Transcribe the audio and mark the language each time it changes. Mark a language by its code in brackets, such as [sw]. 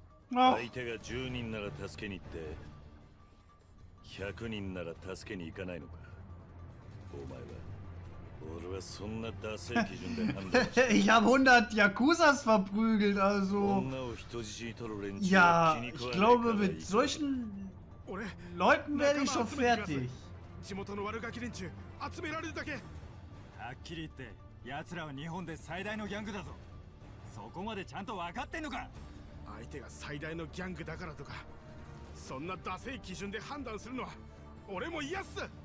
[ja] 相手が10人なら助けに行って、100人なら助けに行かないのか。お前は。俺はそんなダセ基準で判断した。 [de] Ich habe 100 Yakuzas verprügelt, also. [ja] 女を人質に取る連中は気に食わないから。 [de] Ich glaube, mit solchen Leuten werde ich schon fertig. [ja] 地元の悪ガキ連中、集められるだけ。はっきり言って、やつらは日本で最大のギャングだぞ。そこまでちゃんと分かってんのか。相手が最大のギャングだからとか、そんなダセ基準で判断するのは、俺も嫌っす。